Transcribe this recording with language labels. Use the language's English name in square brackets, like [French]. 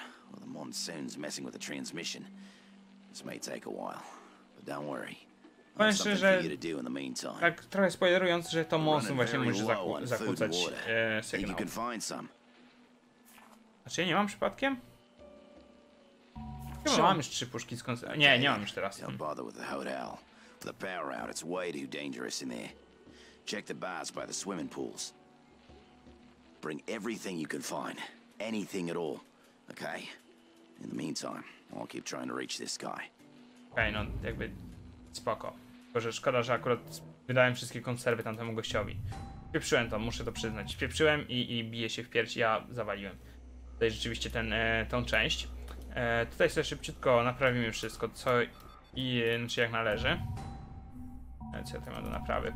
[English] Well, the monsoon's messing with the transmission. This may take a while, but don't worry. [Polish] Powiem szczerze, że tak trochę spoilerując, że to monsoon właśnie może zakłócać sygnał. Znaczy, ja nie mam przypadkiem? Chyba sure. Mam już 3 puszki z koncentratu. Nie, nie mam już teraz. [English] Don't bother with the hotel. The power out, it's way too dangerous in there. Check the bars by the swimming pools. Bring everything you can find. Anything at all. Okay. In the meantime, I'll keep trying to reach this guy. [Polish] Okay, no, jakby spoko. Bo że szkoda, że akurat wydałem wszystkie konserwy tamtemu gościowi. Pieprzyłem to, muszę to przyznać. Pieprzyłem i biję się w pierś, ja zawaliłem. Tutaj rzeczywiście tą część. Tutaj sobie szybciutko naprawimy wszystko, co i znaczy jak należy. Co ja tutaj mam do naprawy?